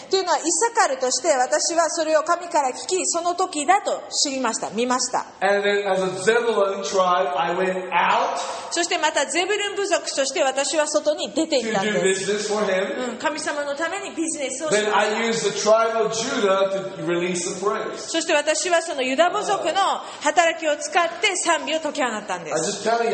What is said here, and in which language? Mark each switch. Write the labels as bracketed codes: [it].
[ja] というのはイサカルとして私はそれを神から聞きその時だと知りました。見ました。 [en] And then as a Zebulun tribe, I went out. [ja] そしてまたゼブルン部族として私は外に出て行ったんです。 [en] To do business for him. [ja] 神様のためにビジネスをした。 [en] Then I used the tribe of Judah to release. [ja] そして私はそのユダ部族の働きを使って賛美を解き放ったんです。